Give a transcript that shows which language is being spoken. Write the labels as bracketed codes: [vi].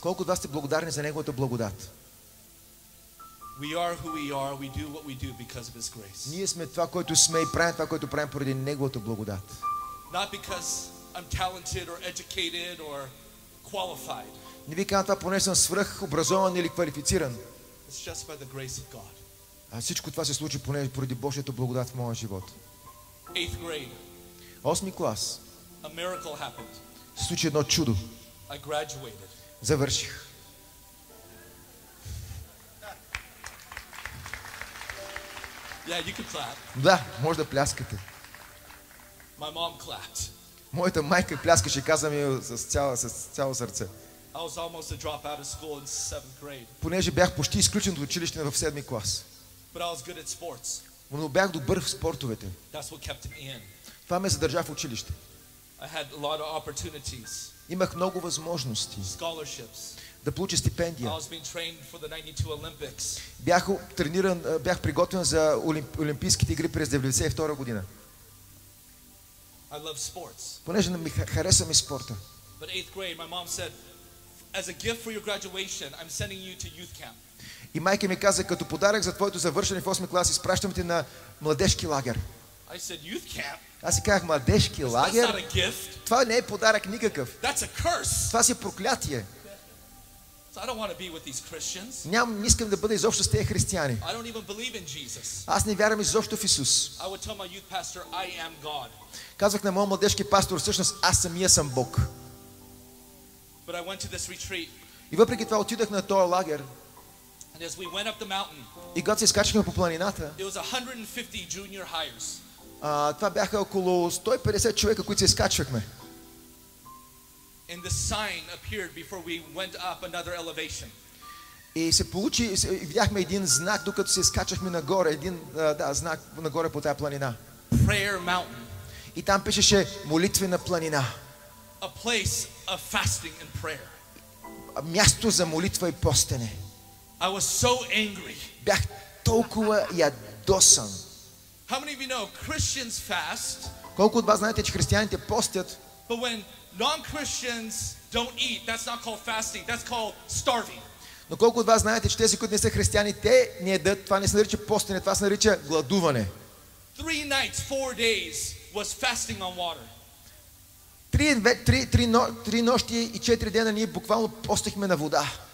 [bg] Колко от вас сте благодарни за неговата благодат? [en] We are who we are, we do what we do because of his grace. [bg] Ние сме това, което сме и правим това, което правим поради неговата благодат. [en] Not because I'm talented or educated or qualified. [bg] Не ви казвам това, понеже съм свръх образован или квалифициран. [en] It's just by the grace of God. [bg] А всичко това се случи поради Божията благодат в моя живот. [en] 8th grade. [bg] 8-ми клас. [en] A miracle happened. [bg] Случи едно чудо. [en] I graduated. [bg] Завърших. [en] Yeah, you can clap. [bg] Да, може да пляскате. [en] My mom clapped. [bg] Моята майка пляскаше, каза ми с цяло сърце. [en] I was almost a dropout of school in 7th grade. [bg] Понеже бях почти изключен от училище в 7-ми клас. [en] But I was good at sports. [bg] Но бях добър в спортовете. [en] That's what kept me in. [bg] Това ме задържа в училище. [en] I had a lot of opportunities. [bg] Имах много възможности. [en] Scholarships. [bg] Да получа стипендия. [en] I was being trained for the 92 Olympics. [bg] Бях приготвен за олимпийските игри през 92-а година. [en] I love sports. [bg] Понеже ми хареса ми спорта. [en] But 8th grade my mom said as a gift for your graduation I'm sending you to youth camp. [bg] И майка ми каза като подарък за твоето завършване в 8-ми клас изпращам те на младежки лагер. [en] I said youth camp. [bg] Аз си казах младежки лагер. [en] That's not a gift. [bg] Това не е подарък никакъв. [en] That's a curse. [bg] Това си проклятие. [en] So I don't want to be with these Christians. [bg] Ням, не искам да бъда изобщо с тези християни. [en] I don't even believe in Jesus. [bg] Аз не вярвам изобщо в Исус. [en] I would tell my youth pastor I am God. [bg] Казах на моят младежки пастор всъщност аз самия съм Бог. [en] But I went to this retreat. [bg] И въпреки това отидох на този лагер. [en] And as we went up the mountain. [bg] И когато се изкачахме по планината. [en] It was 150 junior hires. [bg] Това бяха около 150 човека, които се изкачвахме. [en] And the sign appeared before we went up another elevation. [bg] И се получи, видяхме един знак, докато се изкачахме нагоре, един знак нагоре по тая планина. [en] Prayer mountain. [bg] И там пишеше молитвена планина. [en] A place of fasting and prayer. [bg] Място за молитва и постене. [en] I was so angry. [bg] Бях толкова ядосан. [en] How many of you know Christians fast? [bg] Колко от вас знаете, че християните постят? [en] But when non-Christians don't eat, that's not called fasting, that's called starving. [bg] Но колко от вас знаете, че тези, които не са християни, те не ядат, това не се нарича постене, това се нарича гладуване. [en] 3 nights, 4 days was fasting on water. [bg] 3 нощи и 4 дена ние буквално постихме на вода.